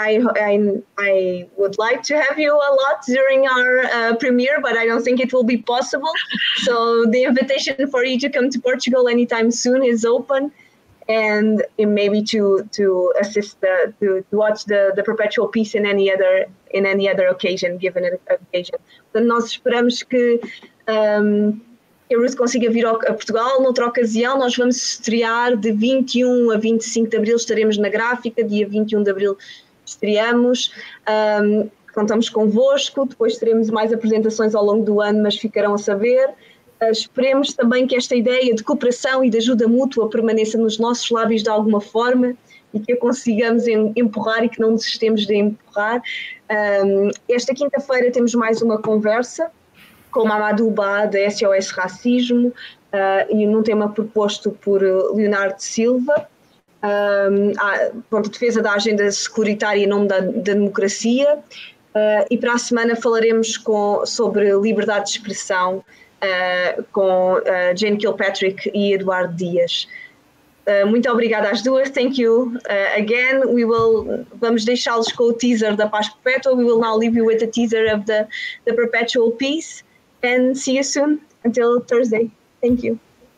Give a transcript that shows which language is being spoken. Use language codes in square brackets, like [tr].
[en] And I would like to have you a lot during our premiere, but I don't think it will be possible. So the invitation for you to come to Portugal anytime soon is open. And maybe to assist to watch the Perpetual Peace in any other occasion, given an occasion. [pt] Então nós esperamos que a Ruth consiga vir a Portugal noutra ocasião. Nós vamos estrear de 21 a 25 de Abril, estaremos na gráfica, dia 21 de Abril estreamos. Contamos convosco, depois teremos mais apresentações ao longo do ano, mas ficarão a saber. Esperemos também que esta ideia de cooperação e de ajuda mútua permaneça nos nossos lábios de alguma forma e que a consigamos empurrar e que não desistemos de empurrar. Esta quinta-feira temos mais uma conversa com Mamadou Ba, da SOS Racismo, e num tema proposto por Leonardo Silva, a defesa da agenda securitária em nome da democracia, e para a semana falaremos sobre liberdade de expressão com Jane Kilpatrick e Eduardo Dias. Muito obrigada às duas. [en] Thank you again. [pt] Vamos deixá-los com o teaser da Paz Perpétua. [en] We will now leave you with a teaser of the Perpetual Peace. And see you soon. Until Thursday. Thank you.